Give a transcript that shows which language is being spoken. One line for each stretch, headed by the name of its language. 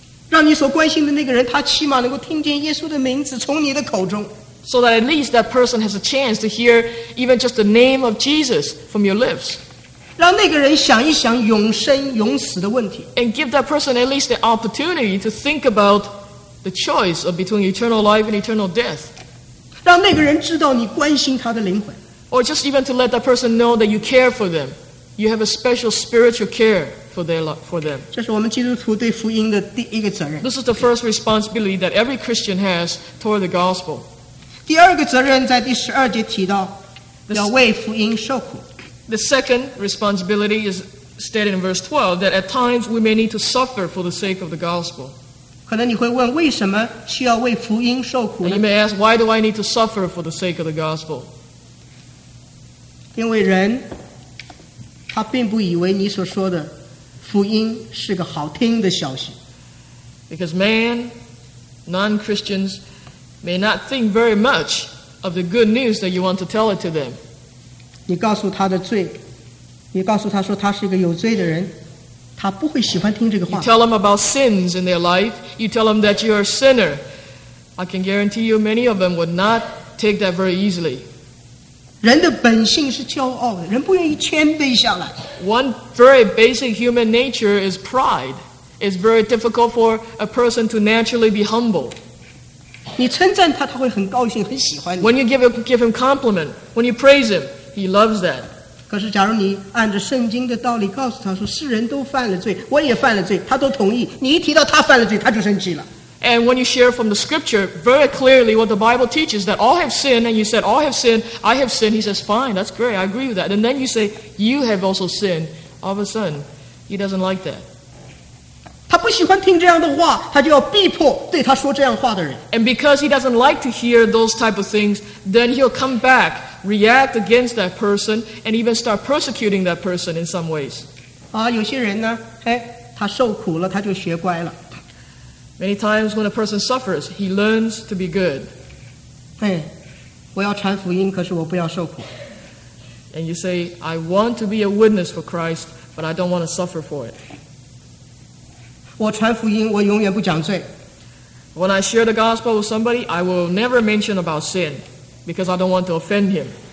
Chinese: 让你所关心的那个人，他起码能够听见耶稣的名字从你的口中。
English: So that at least that person has a chance to hear even just the name of Jesus from your lips.
Chinese: 让那个人想一想永生永死的问题。
English: And give that person at least the opportunity to think about the choice of between eternal life and eternal death.
Chinese: 让那个人知道你关心他的灵魂。
English: Or just even to let that person know that you care for them. You have a special spiritual care for them.
Chinese: 这是我们基督徒对福音的第一个责任。
English: This is the first responsibility that every Christian has toward the gospel.
Chinese: 第二个责任在第十二节提到，要为福音受苦。
English: The second responsibility is stated in verse 12, that at times we may need to suffer for the sake of the gospel.
Chinese: 可能你会问，为什么需要为福音受苦呢？
English: And you may ask, why do I need to suffer for the sake of the gospel?
Chinese: 因为人，他并不以为你所说的福音是个好听的消息。
English: Because man, non-Christians, may not think very much of the good news that you want to tell it to them.
Chinese: 你告诉他的罪，你告诉他说他是一个有罪的人，他不会喜欢听这个话。
English: You tell them about sins in their life. You tell them that you are a sinner. I can guarantee you many of them would not take that very easily.
Chinese: 人的本性是骄傲的，人不愿意谦卑下来。
English: One very basic human nature is pride. It's very difficult for a person to naturally be humble.
Chinese: 你称赞他，他会很高兴，很喜欢你。
English: When you give him compliment, when you praise him, he loves that.
Chinese: 可是，假如你按着圣经的道理告诉他说，世人都犯了罪，我也犯了罪，他都同意。你一提到他犯了罪，他就生气了。
English: And when you share from the scripture very clearly what the Bible teaches that all have sinned, and you said all have sinned, I have sinned, he says fine, that's great, I agree with that. And then you say you have also sinned. All of a sudden, he doesn't like that.
Chinese: 他不喜欢听这样的话，他就要逼迫对他说这样话的人。
English: And because he doesn't like to hear those type of things, then he'll come back, react against that person, and even start persecuting that person in some ways.
Chinese: 啊，有些人呢，哎，他受苦了，他就学乖了。
English: Many times when a person suffers, he learns to be good.
Chinese: 哎，我要传福音，可是我不要受苦。
English: And you say, I want to be a witness for Christ, but I don't want to suffer for it.
Chinese: 我传福音，我永远不讲罪。
English: When I share the gospel with somebody, I will never mention about sin, because I don't want to offend him.